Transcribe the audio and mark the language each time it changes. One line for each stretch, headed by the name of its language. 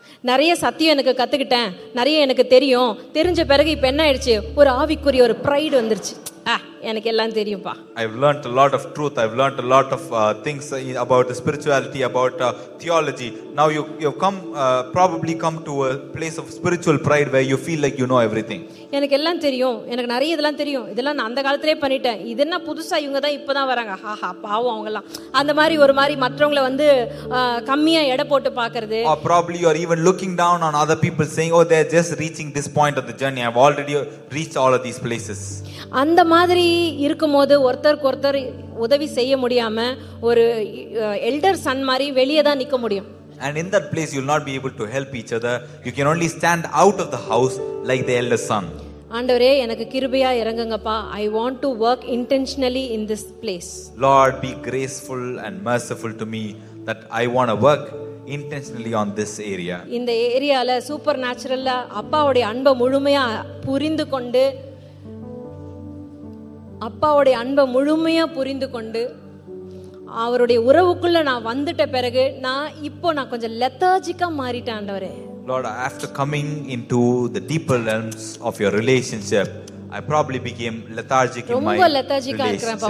Tamil: நிறைய சத்தியம் எனக்கு கத்துக்கிட்டேன், நிறைய எனக்கு தெரியும், தெரிஞ்ச பிறகு இப்ப என்ன ஆயிடுச்சு, ஒரு ஆவிக்குரிய ஒரு ப்ரைடு வந்துருச்சு, எனக்கு எல்லாம் தெரியும்பா.
English: I've learnt a lot of truth, I've learnt a lot of things about the spirituality, about theology. Now you've probably come to a place of spiritual pride where you feel like you know everything.
Tamil: எனக்கு எல்லாம் தெரியும், எனக்கு நிறைய இதெல்லாம் தெரியும், இதெல்லாம் நான் அந்த காலத்திலே பண்ணிட்டேன், இது என்ன புதுசா, இவங்க தான் இப்பதான் வராங்க, ஹாஹா பாவம் அவங்க எல்லாம், அந்த மாதிரி ஒரு மாதிரி மற்றவங்களை வந்து கம்மியா எடை போட்டு பாக்குறது.
English: Or probably you are even looking down on other people saying, oh, they're just reaching this point of the journey, I've already reached all of these places.
Tamil: அந்த மாதிரி இருக்கும்போது ஒருத்தருக்கு ஒருத்தர் உதவி செய்ய முடியாம ஒரு எல்டர் சன் மாதிரி வெளியே தான் நிக்க முடியும்.
English: And in that place, you'll not be able to help each other. You can only stand out of the house like the elder son.
Tamil: ஆண்டவரே எனக்கு கிருபையா இறங்குங்கப்பா,
English: I want to work intentionally in this place. Lord, be graceful and merciful to me that I want to work intentionally on this area.
Tamil: இந்த ஏரியால super நேச்சுரலா அப்பாவுடைய அன்பை முழுமையா புரிந்து கொண்டு, அப்பாவுடைய அன்பை முழுமையா புரிந்து கொண்டு அவருடைய உறவுக்குள்ள நான் வந்துட்ட பிறகு நான் இப்போ நான் கொஞ்சம் லெத்தாஜிக்கா மாறிட்டேன் ஆண்டவரே.
English: Lord, after coming into the deeper realms of your relationship, I probably became lethargic in my relationship.